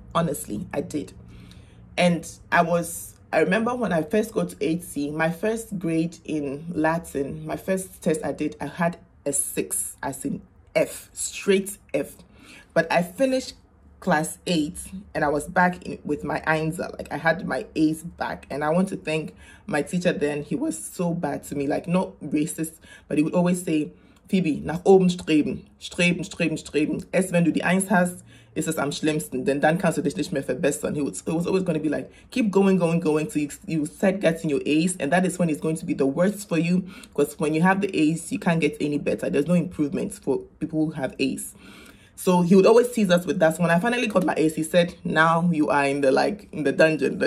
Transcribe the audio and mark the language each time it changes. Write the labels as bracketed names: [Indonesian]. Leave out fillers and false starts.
[English] Honestly, I did. And I remember when I first got to 8C, my first grade in Latin, my first test I did, I had a 6, as in F, straight F. But I finished class 8 and I was back in, with my Einser. Like, I had my A's back. And I want to thank my teacher then. He was so bad to me, like, not racist, but he would always say, Phoebe, [German] nach oben streben, streben, streben, streben. Erst wenn du die Eins hast, ist es am schlimmsten. Denn dann kannst du dich nicht mehr verbessern. [English] It was always going to be like, keep going, going, going till you start getting your A's. And that is when it's going to be the worst for you. Because when you have the A's, you can't get any better. There's no improvements for people who have A's. So he would always tease us with that. So when I finally got my A's, he said, now you are in the, like, in the dungeon.